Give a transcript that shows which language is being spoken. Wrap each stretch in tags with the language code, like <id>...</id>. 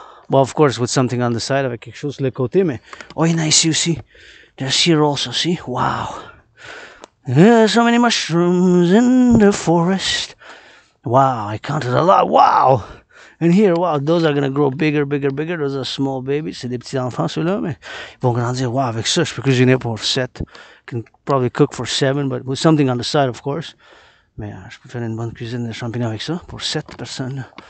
<en>Well, of course, with something on the side,</en> <fr>avec quelque chose sur le côté, mais.</fr> <en>Oh, you know,</en> <fr>ici aussi.</fr> <en>There's here also, see? Wow. There's so many mushrooms in the forest. Wow, I counted a lot. Wow! And here, wow, those are gonna grow bigger, bigger, bigger. Those are small babies.</en> <fr>C'est des petits enfants, ceux-là, mais ils vont grandir. Wow, avec ça, je peux cuisiner pour 7.</fr> <en>Can probably cook for 7, but with something on the side, of course.</en> <fr>Mais je peux faire une bonne cuisine de champignons avec ça pour 7 personnes.</fr>